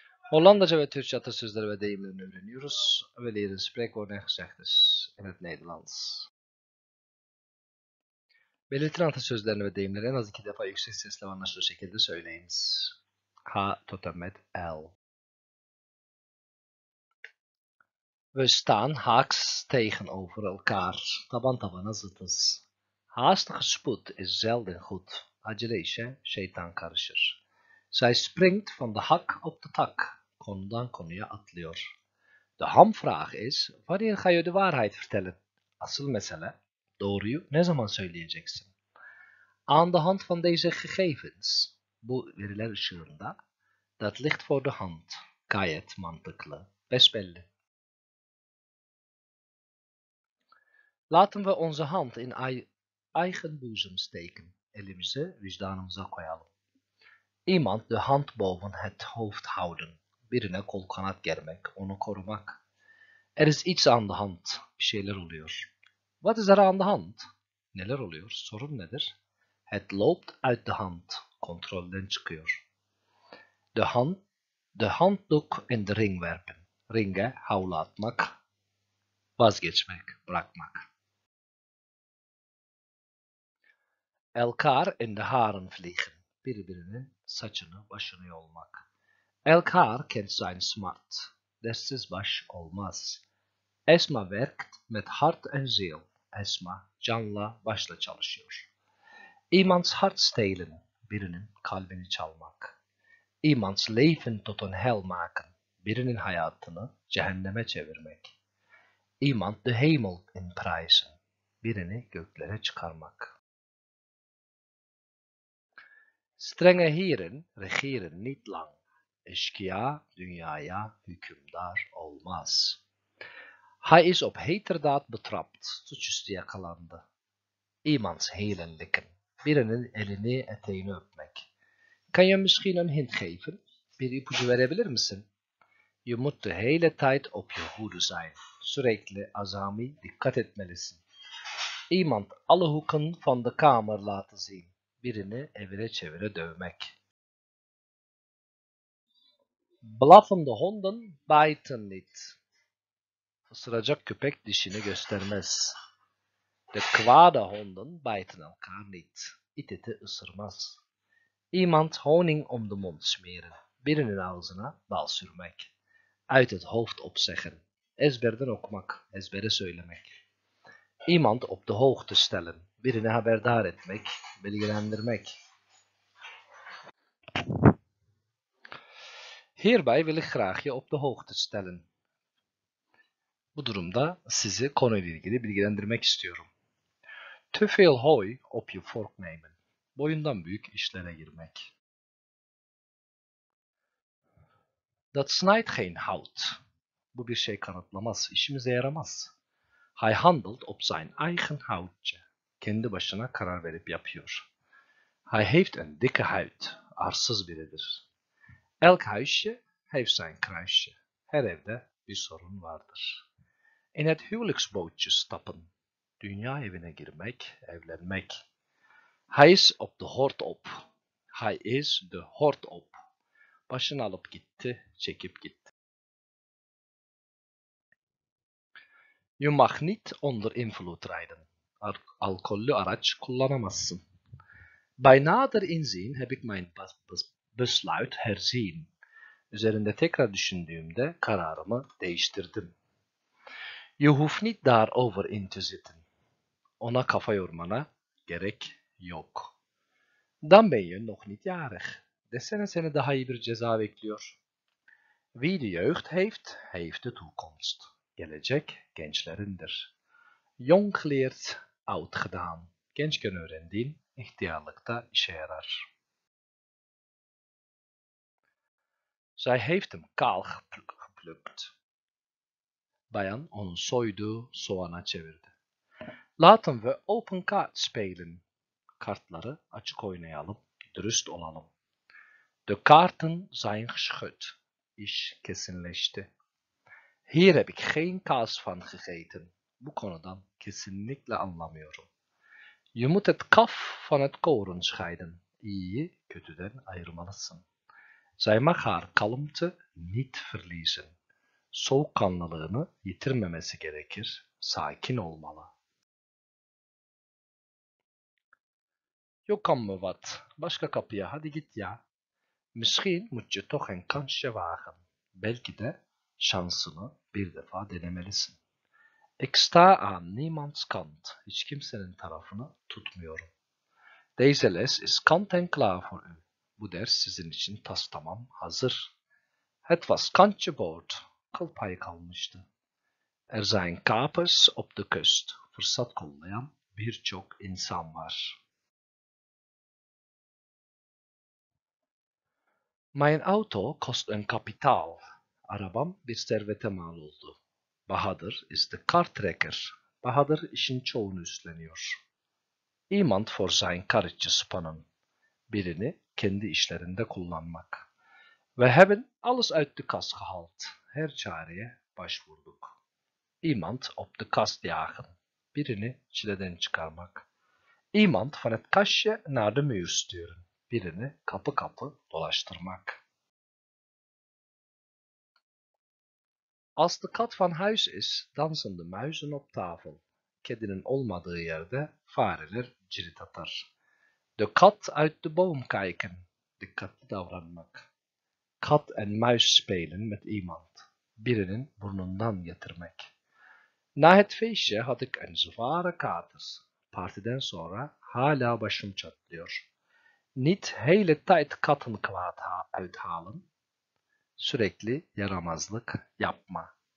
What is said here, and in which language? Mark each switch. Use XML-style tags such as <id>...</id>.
<tr>Hollandaca ve Türkçe atasözleri ve deyimlerini öğreniyoruz.</tr> <nl>Ve leren spreekwoorden gezegdes in het Nederlands.</nl> <tr>Belirtilen atasözlerini ve deyimleri en az iki defa yüksek sesle ve anlaşılır şekilde söyleyiniz.</tr> <nl>H tot en met L. We staan haaks tegenover elkaar,</nl> <tr>taban tabana zıtız.</tr> <nl>Haastige spoed is zelden goed,</nl> <tr>acele işe şeytan karışır.</tr> <nl>Zij springt van de hak op de tak, konudan konuya atlıyor. De hamvraag is, wanneer ga je de waarheid vertellen?</nl> <tr>Asıl mesele, doğruyu ne zaman söyleyeceksin?</tr> <nl>Aan de hand van deze gegevens,</nl> <tr>bu veriler ışığında,</tr> <nl>dat ligt voor de hand,</nl> <tr>gayet mantıklı, besbelli.</tr> <nl>Laten we onze hand in eigen boezem steken.</nl> <tr>Elimizi vicdanımıza koyalım.</tr> <nl>Iemand de hand boven het hoofd houden.</nl> <tr>Birine kol kanat germek, onu korumak.</tr> <nl>Er is iets aan de hand.</nl> <tr>Bir şeyler oluyor.</tr> <nl>What is er aan de hand?</nl> <tr>Neler oluyor? Sorun nedir?</tr> <nl>Het loopt uit de hand.</nl> <tr>Kontrolden çıkıyor.</tr> <nl>De handdoek in de ring werpen.</nl> <tr>Ringe, havlu atmak. Vazgeçmek, bırakmak.</tr> <nl>Elkaar in de haren vliegen.</nl> <tr>Birbirinin saçını başını yolmak.</tr> <nl>Elkaar kent zijn smart.</nl> <tr>Dersiz baş olmaz.</tr> <nl>Esma werkt met hart en ziel.</nl> <tr>Esma canla başla çalışıyor.</tr> <nl>Iemands hart stelen.</nl> <tr>Birinin kalbini çalmak.</tr> <nl>Iemands leven tot een hel maken.</nl> <tr>Birinin hayatını cehenneme çevirmek.</tr> <nl>Iemand de hemel in prijzen.</nl> <tr>Birini göklere çıkarmak.</tr> <nl>Strenge heren regeren niet lang.</nl> <tr>Eşkıya dünyaya hükümdar olmaz.</tr> <nl>Hij is op heterdaad betrapt.</nl> <tr>Suçüstü yakalandı.</tr> <nl>Iemands helen likken.</nl> <tr>Birinin elini eteğini öpmek.</tr> <nl>Kan je misschien een hint geven?</nl> <tr>Bir ipucu verebilir misin?</tr> <nl>Je moet de hele tijd op je hoede zijn.</nl> <tr>Sürekli azami dikkat etmelisin.</tr> <nl>Iemand alle hoeken van de kamer laten zien.</nl> <tr>Birini evire çevire dövmek.</tr> <nl>Blaffende honden bijten niet.</nl> <tr>Isıracak köpek dişini göstermez.</tr> <nl>De kwade honden bijten elkaar niet.</nl> <tr>İt iti ısırmaz.</tr> <nl>Iemand honing om de mond smeren.</nl> <tr>Birinin ağzına bal sürmek.</tr> <nl>Uit het hoofd opzeggen.</nl> <tr>Ezberden okumak. Ezbere söylemek.</tr> <nl>Iemand op de hoogte stellen.</nl> <tr>Birini haberdar etmek, bilgilendirmek.</tr> <nl>Hierbij wil ik graag je op de hoogte stellen.</nl> <tr>Bu durumda sizi konuyla ilgili bilgilendirmek istiyorum.</tr> <nl>Te veel hooi op je fork nemen.</nl> <tr>Boyundan büyük işlere girmek.</tr> <nl>Dat snijdt geen hout.</nl> <tr>Bu bir şey kanıtlamaz, işimize yaramaz.</tr> <nl>Hij handelt op zijn eigen houtje.</nl> <tr>Kendi başına karar verip yapıyor.</tr> <nl>Hij heeft een dikke huid.</nl> <tr>Arsız biridir.</tr> <nl>Elk huisje heeft zijn kruisje.</nl> <tr>Her evde bir sorun vardır.</tr> <nl>In het huwelijksbootje stappen.</nl> <tr>Dünya evine girmek, evlenmek.</tr> <nl>Hij is op de hort op. Hij is de hort op.</nl> <tr>Başını alıp gitti, çekip gitti.</tr> <nl>Je mag niet onder invloed rijden.</nl> <tr>Alkollü araç kullanamazsın.</tr> <nl>Bij nader inzien heb ik mijn besluit herzien.</nl> <tr>Üzerinde tekrar düşündüğümde kararımı değiştirdim.</tr> <nl>Je hoeft niet daarover in te zitten.</nl> <tr>Ona kafa yormana gerek yok.</tr> <nl>Dan ben je nog niet jarig.</nl> <tr>Desene seni daha iyi bir ceza bekliyor.</tr> <nl>Wie de jeugd heeft, heeft de toekomst.</nl> <tr>Gelecek gençlerindir.</tr> <nl>Jong geleerd. Oud gedaan.</nl> <tr>Gençken öğrendiğin ihtiyarlıkta işe yarar.</tr> <nl>Zij heeft hem kaal geplukt.</nl> <tr>Bayan onu soydu, soğana çevirdi.</tr> <nl>Laten we open kart spelen.</nl> <tr>Kartları açık oynayalım, dürüst olalım.</tr> <nl>De kaarten zijn geschud.</nl> <tr>İş kesinleşti.</tr> <nl>Hier heb ik geen kaas van gegeten.</nl> <tr>bu konudan kesinlikle anlamıyorum.</tr> <nl>Yumut et kaf van het koren scheiden.</nl> <tr>İyiyi kötüden ayırmalısın.</tr> <nl>Zij mag haar kalmte niet verliezen.</nl> <tr>Soğukkanlılığını yitirmemesi gerekir. Sakin olmalı. Yok</tr> <nl>amma wat.</nl> <tr>Başka kapıya hadi git ya.</tr> <nl>Misschien moet je toch een kansje wagen.</nl> <tr>Belki de şansını bir defa denemelisin.</tr> <nl>Ik sta aan niemands kant.</nl> <tr>Hiç kimsenin tarafını tutmuyorum.</tr> <nl>Deze les is kant en klaar voor u.</nl> <tr>Bu ders sizin için tas tamam hazır.</tr> <nl>Het was kantje boord.</nl> <tr>Kıl payı kalmıştı.</tr> <nl>Er zijn kapers op de kust.</nl> <tr>Fırsat kollayan birçok insan var.</tr> <nl>Mijn auto kost een kapitaal.</nl> <tr>Arabam bir servete mal oldu.</tr> <nl>Bahadır is de car trekker.</nl> <tr>Bahadır işin çoğunu üstleniyor.</tr> <nl>Iemand voor zijn karretje spannen.</nl> <tr>Birini kendi işlerinde kullanmak.</tr> <nl>We hebben alles uit de kas gehaald.</nl> <tr>Her çareye başvurduk.</tr> <nl>Iemand op de kast jagen.</nl> <tr>Birini çileden çıkarmak.</tr> <nl>Iemand van het kastje naar de muur sturen.</nl> <tr>Birini kapı kapı dolaştırmak.</tr> <nl>Als de kat van huis is, dansen de muizen op tafel.</nl> <tr>Kedinin olmadığı yerde fareler cirit atar.</tr> <nl>De kat uit de boom kijken.</nl> <tr>Dikkatli davranmak.</tr> <nl>Kat en muis spelen met iemand.</nl> <tr>Birinin burnundan getirmek.</tr> <nl>Na het feestje had ik een zware kater.</nl> <tr>Partiden sonra hala başım çatlıyor.</tr> <nl>Niet hele tijd katten kwaad uithalen.</nl> <tr>Sürekli yaramazlık yapma.</tr>